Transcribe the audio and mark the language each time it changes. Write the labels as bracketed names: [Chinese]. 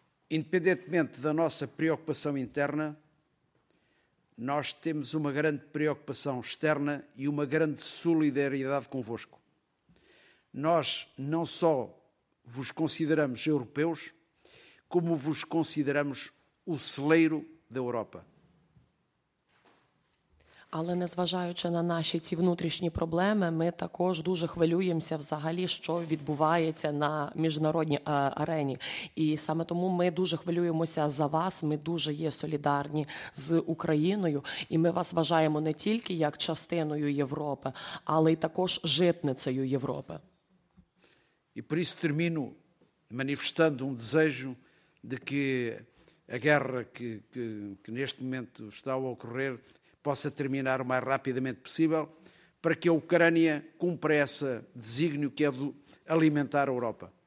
[Portuguese] Independentemente da nossa preocupação interna, nós temos uma grande preocupação externa e uma grande solidariedade convosco. Nós não só vos consideramos europeus, como vos consideramos o celeiro da Europa. [Ukrainian] Але незважаючи на наші ці внутрішні проблеми, ми також дуже хвилюємося взагалі, що відбувається на міжнародній арені. І саме тому ми дуже хвилюємося за вас, ми дуже є солідарні з Україною, і ми вас вважаємо не тільки як частиною Європи, але й також житницею Європи. [Portuguese] E por isso termino manifestando um desejo de que a guerra que neste momento está a ocorrer possa terminar o mais rapidamente possível para que a Ucrânia cumpra esse desígnio que é de alimentar a Europa.